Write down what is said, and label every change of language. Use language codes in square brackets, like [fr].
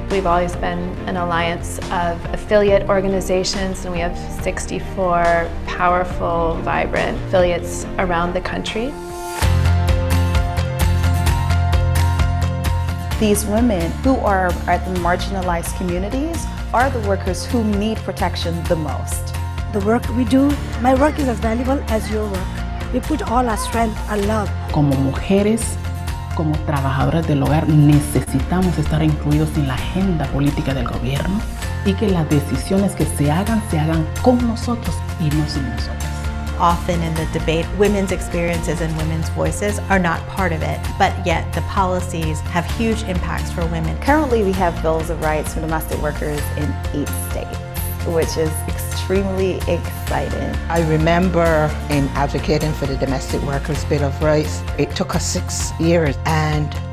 [en] We've always been an alliance of affiliate organizations, and we have 64 powerful, vibrant affiliates around the country. These women who are at the marginalized communities are the workers who need protection the most. The work we do, my work is as valuable as your work. We put all our strength and love. [es] Como mujeres, como trabajadoras del hogar, necesitamos estar incluidos en la agenda política del gobierno y que las decisiones que se hagan con nosotros y no sin nosotros. [en] Often in the debate, women's experiences and women's voices are not part of it, but yet the policies have huge impacts for women. Currently, we have bills of rights for domestic workers in 8 states, which is extremely exciting. I remember in advocating for the domestic workers' bill of rights, it took us 6 years, and